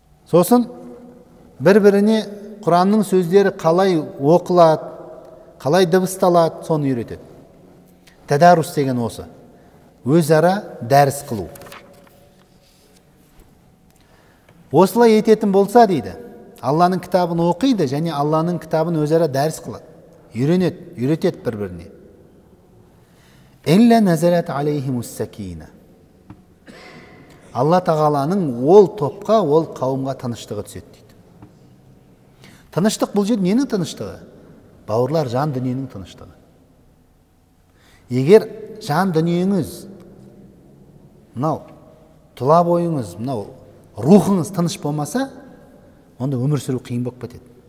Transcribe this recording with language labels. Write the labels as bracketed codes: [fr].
[kk] Сосын бір-біріне Құранның сөздері қалай оқылады, қалай дыбысталады, соны үйретеді. Тәдәрус деген осы. Өзара дәріс қылу. Осылай ететін болса дейді, Алланың кітабын оқиды және Алланың кітабын өзара дәріс қылады. Үйретеді бір-біріне. [ar] Илля назарат алейхимус сакина. [kk] Алла Тағаланың ол топқа, ол қауымға тыныштығы түседі дейді. Тыныштық бұл жерде ненің тыныштығы? Бауырлар, жан дүниенің тыныштығы. Егер жан дүниеңіз, мынау тұла бойыңыз, мынау рухыңыз тыныш болмаса, онда өмір сүру қиын болып кетеді.